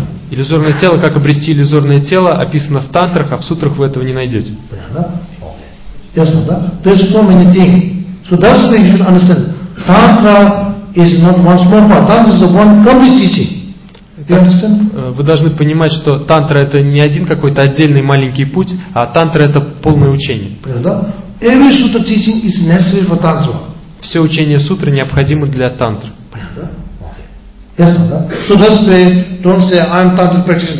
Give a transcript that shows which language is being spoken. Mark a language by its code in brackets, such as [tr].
[ru] Иллюзорное тело, как обрести иллюзорное тело, описано в тантрах, а в сутрах вы этого не найдете. Понятно? Okay. Ясно, да? [en] There's so many things. So that's why you should understand. Tantra is not one small part. Tantra is the one complete teaching. [ru] Вы должны понимать, что тантра это не один какой-то отдельный маленький путь, а тантра это полное учение. [en] Every sutra teaching is necessary for tantra. [ru] Все учение сутры необходимо для тантры. Понятно? Okay. Ясно, да? [en] So that's why don't say I'm tantra practitioner.